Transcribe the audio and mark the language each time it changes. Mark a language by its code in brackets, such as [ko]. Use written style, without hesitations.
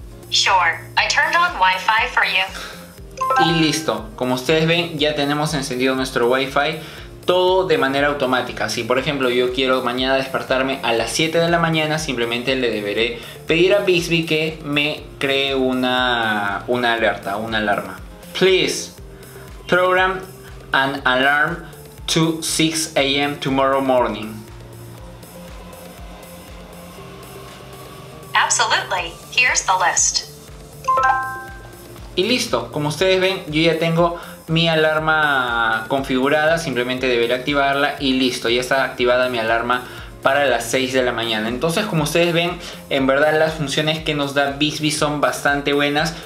[en] Sure, I turned on Wi-Fi for you. [es] Y listo, como ustedes ven, ya tenemos encendido nuestro Wi-Fi, todo de manera automática. Si por ejemplo yo quiero mañana despertarme a las 7 de la mañana, simplemente le deberé pedir a Bixby que me cree una alerta, una alarma. [en] Please program an alarm to 6 a.m. tomorrow morning. Absolutely, here's the list. [es] Y listo, como ustedes ven, yo ya tengo mi alarma configurada, simplemente deberé activarla y listo, ya está activada mi alarma para las 6 de la mañana. Entonces, como ustedes ven, en verdad las funciones que nos da Bixby son bastante buenas.